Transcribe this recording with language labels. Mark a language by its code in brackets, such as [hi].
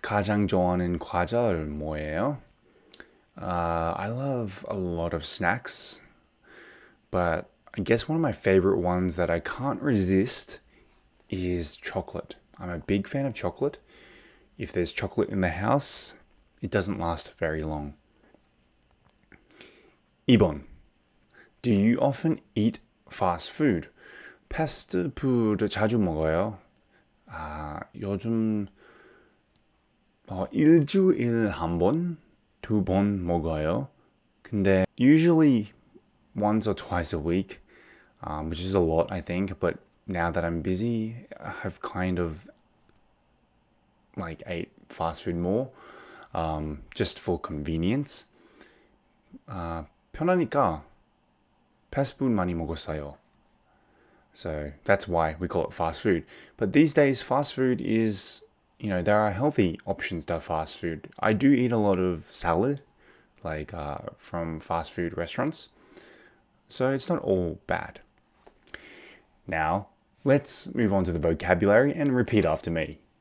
[ko] 가장 좋아하는 과자를 뭐예요? [en] I love a lot of snacks, but I guess one of my favorite ones that I can't resist is chocolate. I'm a big fan of chocolate. If there's chocolate in the house, it doesn't last very long. [ko] 2번. [en] Do you often eat fast food? [ko] 패스트푸드 자주 먹어요. 아, 요즘 일주일 한 번, 두 번 먹어요. 근데 [en] usually once or twice a week, which is a lot, I think. But now that I'm busy, I've kind of ate fast food more, just for convenience. [ko] 편하니까 패스트푸드 많이 먹었어요. [en] So that's why we call it fast food. But these days, fast food is, you know, there are healthy options to fast food. I do eat a lot of salad, from fast food restaurants. So it's not all bad. Now, let's move on to the vocabulary and repeat after me.